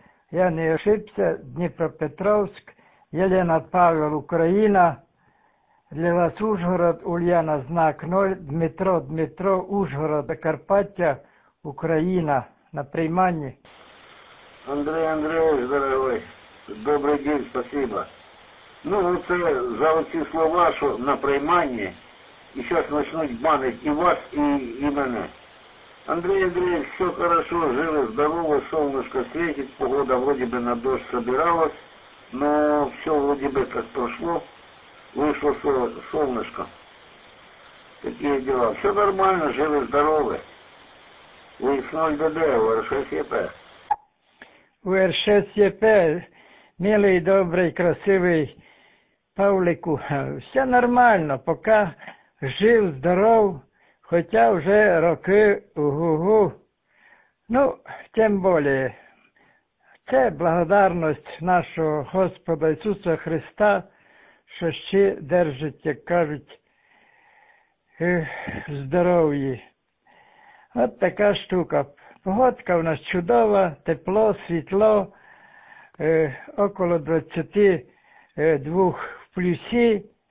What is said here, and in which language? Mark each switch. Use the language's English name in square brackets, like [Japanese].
[Ukrainian] Я не ошибся, Дніпропетровськ, Єлена Павел, Україна, для вас Ужгород, Ульяна, знак 0, Дмитро, Ужгород, Закарпаття, Україна, на прийманні. Андрій Андрійович, дорогий, добрий день, спасибо. Ну, це за оці слова, що на прийманні, і зараз почнуть банити і вас, і мене. [Russian] Андрей Андреевич, все хорошо, живо, здорово, солнышко светит, погода вроде бы на дождь собиралась, но все вроде бы как прошло, вышло солнышко. Такие дела. Все нормально, живо, здорово. Вы с 0ДД, УРШСЕП. УРШСЕП, милый, добрый, красивый Павлику. Все нормально, пока жив, здоров. [Ukrainian] Хоча вже роки угу-гу. Ну, тим більше, це благодарність нашого Господа Ісуса Христа, що ще держить, як кажуть, здоров'ї. От така штука. Погодка у нас чудова, тепло, світло, около 22 в плюсі.